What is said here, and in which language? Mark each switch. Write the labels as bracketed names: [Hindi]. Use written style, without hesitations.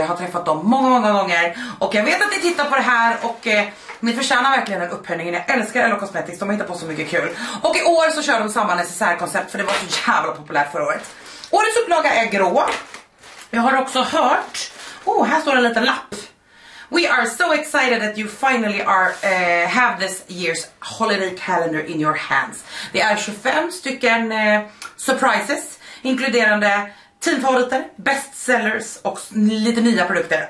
[Swedish] Jag har träffat dem många, många gånger och jag vet att ni tittar på det här och ni förtjänar verkligen den upphöjningen. Jag älskar LO Cosmetics, de har hittat på så mycket kul. Och i år så kör de samma necessärkoncept för det var så jävla populärt förra året. Årets upplaga är grå. Jag har också hört, oh här står en liten lapp. [English] We are so excited that you finally are have this year's holiday calendar in your hands. [Swedish] Det är 25 stycken surprises, inkluderande teamfavoriter, bestsellers och lite nya produkter.